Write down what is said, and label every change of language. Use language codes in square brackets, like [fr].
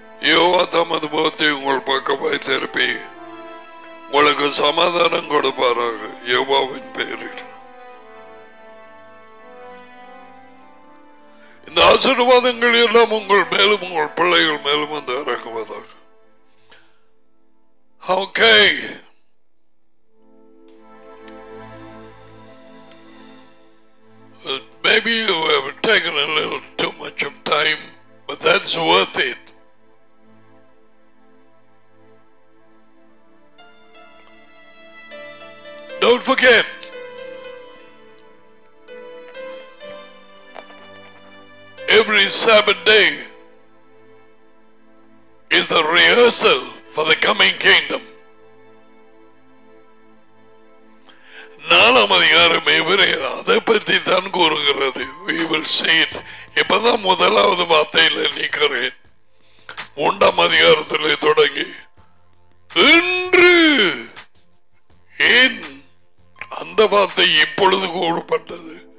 [ta] யோவா தமது முகத்தை உங்கள் பக்கமாய் திருப்பி உங்களுக்கு சமாதானம் கொடுப்பாராக. யோவாவின் பெயரில் இந்த ஆசீர்வாதங்கள் எல்லாம் உங்கள் மேலும் உங்கள் பிள்ளைகள் மேலும் வந்து இறங்குவதாக. [en] Okay, maybe you have taken a little too much of time, but that's worth it. Don't forget, every Sabbath day is the rehearsal for the coming kingdom. [ta] நாலாம் அதிகாரம் இவரே அதை பற்றி தான் கூறுகிறது. [en] We will see it. [ta] இப்பதான் முதலாவது வார்த்தையில நிற்கிறேன். ஒன்றாம் அதிகாரத்திலே தொடங்கி இன்று ஏன் அந்த வார்த்தை இப்பொழுது கூறப்பட்டது.